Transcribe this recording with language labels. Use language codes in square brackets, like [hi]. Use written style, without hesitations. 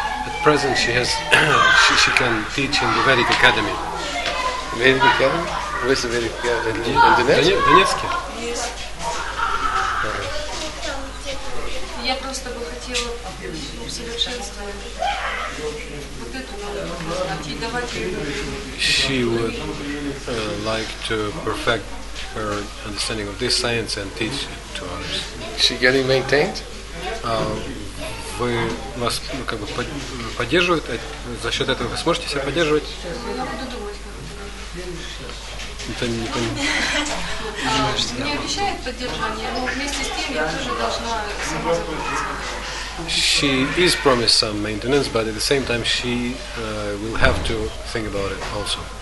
[en] At present she has she can teach in the Vedic Academy. Vedic Academy? Where is the Vedic Academy? In Donetsk? [ru] В Донецке. [en] Yes. [ru] Я просто бы хотела усовершенствовать вот эту возможность и давать ее. [en] She would like to perfect her understanding of this science and teach it to others. Is she getting maintained? [ru] Вы вас как бы поддерживают, за счет этого вы сможете себя поддерживать? Я буду думать, как это делать. Не обещает поддержание, но вместе с тем я тоже должна сама заботиться. [en] She is promised some maintenance, but at the same time she will have to think about it also.